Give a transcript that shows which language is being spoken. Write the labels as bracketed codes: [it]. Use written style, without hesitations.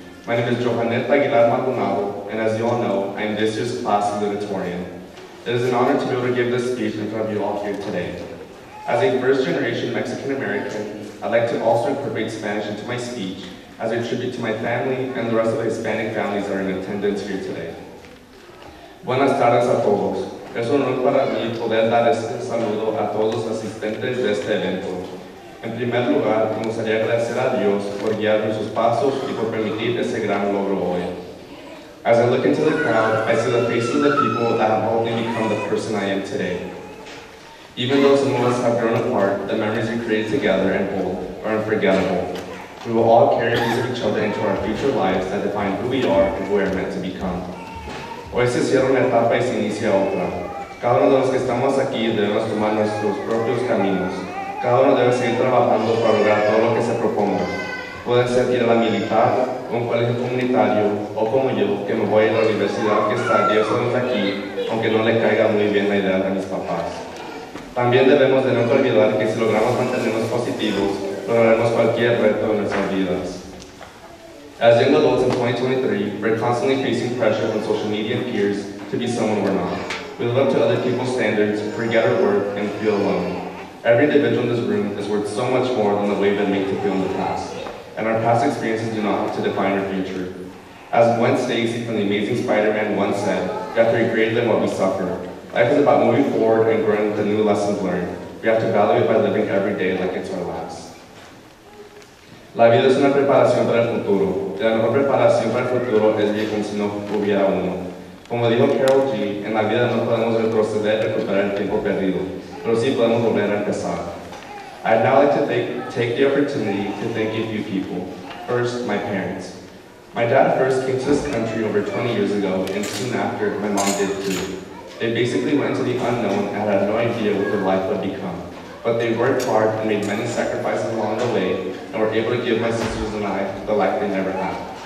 [en] My name is Johaned Aguilar Maldonado, and as you all know, I am this year's class salutatorian. It is an honor to be able to give this speech in front of you all here today. As a first-generation Mexican-American, I'd like to also incorporate Spanish into my speech as a tribute to my family and the rest of the Hispanic families that are in attendance here today. [es] Buenas tardes a todos. Es un honor para mí poder dar este saludo a todos los asistentes de este evento. En primer lugar, me gustaría agradecer a Dios por guiar nuestros pasos y por permitir ese gran logro hoy. [en] As I look into the crowd, I see the faces of the people that have helped me become the person I am today. Even though some of us have grown apart, the memories we create together and hold are unforgettable. We will all carry these of each other into our future lives that define who we are and who we are meant to become. [es] Hoy se cierra una etapa y se inicia otra. Cada uno de los que estamos aquí debemos tomar nuestros propios caminos. Cada uno debe seguir trabajando para lograr todo lo que se proponga. Puede ser ir a la militar, un colegio comunitario, o como yo, que me voy a la universidad que está 10 años aquí, aunque no le caiga muy bien la idea de mis papás. También debemos de no olvidar que si logramos mantenernos positivos, lograremos cualquier reto en nuestras vidas. [en] As young adults in 2023, we're constantly facing pressure from social media and peers to be someone we're not. We live up to other people's standards, forget our worth, and feel alone. Every individual in this room is worth so much more than the way they've been made to feel in the past. And our past experiences do not have to define our future. As Gwen Stacy from The Amazing Spider-Man once said, we have to be greater than what we suffer. Life is about moving forward and growing with the new lessons learned. We have to value it by living every day like it's our last. [es] La vida es una preparación para el futuro. Y la mejor preparación para el futuro es vivir como si no hubiera uno. Como dijo Carol G, en la vida no podemos retroceder y recuperar el tiempo perdido, pero sí podemos volver a empezar. [en] I'd now like to take the opportunity to thank a few people. First, my parents. My dad first came to this country over 20 years ago, and soon after, my mom did too. They basically went into the unknown and had no idea what their life would become. But they worked hard and made many sacrifices along the way, and were able to give my sisters and I the life they never had.